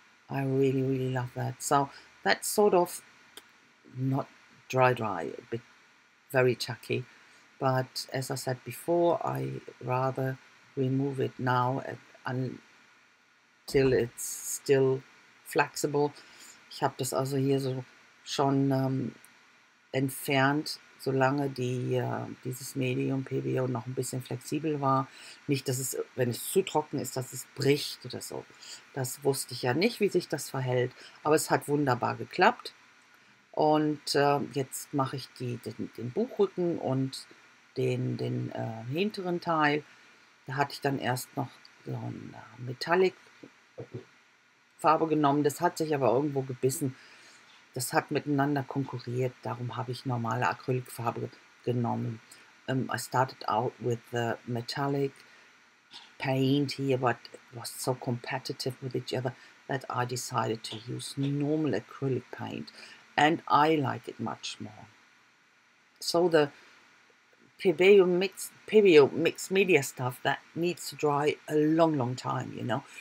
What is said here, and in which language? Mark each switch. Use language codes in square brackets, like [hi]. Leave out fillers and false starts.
[en] I really, really love that. So that's sort of not dry, dry, a bit very tacky. But as I said before, I rather remove it now until it's still flexible. [de] Ich habe das also hier so schon entfernt, solange dieses Medium PBO noch ein bisschen flexibel war. Nicht, dass es, wenn es zu trocken ist, dass es bricht oder so. Das wusste ich ja nicht, wie sich das verhält. Aber es hat wunderbar geklappt. Und jetzt mache ich den Buchrücken und den hinteren Teil. Da hatte ich dann erst noch so eine Metallic-Farbe genommen. Das hat sich aber irgendwo gebissen. Das hat miteinander konkurriert, darum habe ich normale Acrylicfarbe genommen. [en] I started out with the metallic paint here, but it was so competitive with each other that I decided to use normal acrylic paint. And I like it much more. So the PBO mixed media stuff that needs to dry a long, long time, you know.